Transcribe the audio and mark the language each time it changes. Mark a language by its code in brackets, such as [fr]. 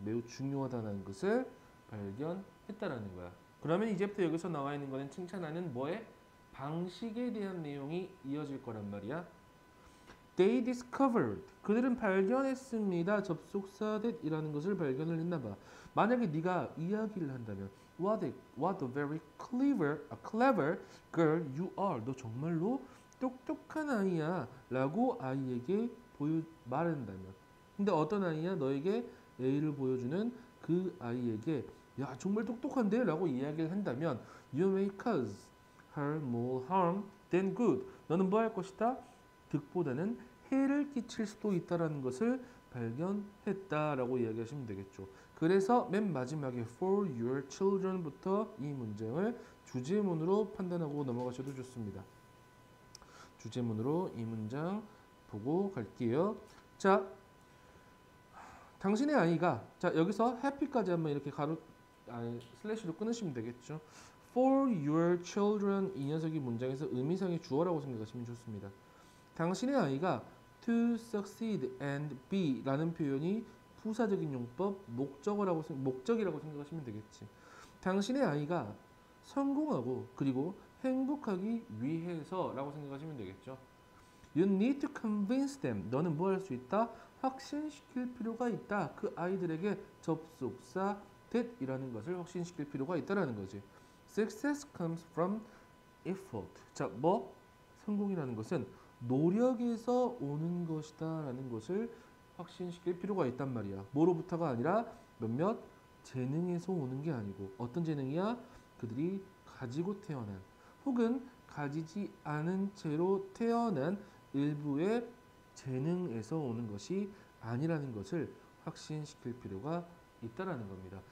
[ko] 매우 중요하다는 것을 발견했다라는 거야. 그러면 이제부터 여기서 나와 있는 거는 칭찬하는 뭐에? 방식에 대한 내용이 이어질 거란 말이야. [en] They discovered. [ko] 그들은 발견했습니다. 접속사 that이라는 것을 발견을 했나 봐. 만약에 네가 이야기를 한다면, [en] what a very clever girl you are. [ko] 너 정말로 똑똑한 아이야. 라고 아이에게 말한다면. 근데 어떤 아이야? 너에게 A를 보여주는 그 아이에게, 야, 정말 똑똑한데? 라고 이야기를 한다면, [en] you may cause her more harm than good. [ko] 너는 뭐할 것이다? 득보다는 해를 끼칠 수도 있다라는 것을 발견했다라고 이야기하시면 되겠죠. 그래서 맨 마지막에 [en] for your children [ko] 부터 이 문장을 주제문으로 판단하고 넘어가셔도 좋습니다. 주제문으로 이 문장 보고 갈게요. 자, 당신의 아이가, 자, 여기서 happy까지 한번 이렇게 슬래시로 끊으시면 되겠죠. [en] for your children [ko] 이 녀석이 문장에서 의미상의 주어라고 생각하시면 좋습니다. 당신의 아이가 [en] To succeed and be [ko] 라는 표현이 부사적인 용법, 목적이라고 생각하시면 되겠지. 당신의 아이가 성공하고 그리고 행복하기 위해서라고 생각하시면 되겠죠. [en] You need to convince them. [ko] 너는 뭐할수 있다? 확신시킬 필요가 있다. 그 아이들에게 접속사 that이라는 것을 확신시킬 필요가 있다라는 거지. [en] Success comes from effort. [ko] 자, 뭐? 성공이라는 것은 노력에서 오는 것이다 라는 것을 확신시킬 필요가 있단 말이야. 뭐로부터가 아니라 몇몇 재능에서 오는 게 아니고 어떤 재능이야? 그들이 가지고 태어난 혹은 가지지 않은 채로 태어난 일부의 재능에서 오는 것이 아니라는 것을 확신시킬 필요가 있다라는 겁니다.